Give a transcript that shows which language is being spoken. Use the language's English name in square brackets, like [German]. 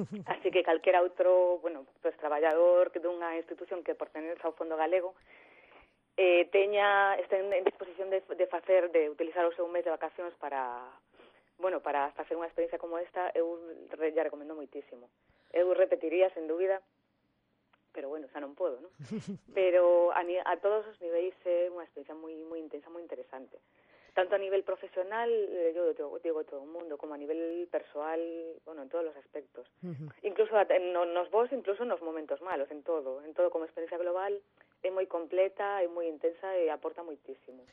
[Galician] Así que calquera outro, bueno, pues traballador que dunha institución que pertenece ao Fondo Galego este en disposición de utilizar o seu mes de vacacións para, bueno, para facer unha experiencia como esta, eu ya recomendo moitísimo. Eu repetiría sen dúbida, pero bueno, xa non podo, ¿no? Pero a todos os niveis é unha experiencia moi moi intensa, moi interesante. [Spanish] Tanto a nivel profesional, yo digo todo el mundo, como a nivel personal, bueno, en todos los aspectos. Uh-huh. Incluso incluso en los momentos malos, en todo como experiencia global, [Galician] é moi completa, é moi intensa e aporta moitísimo.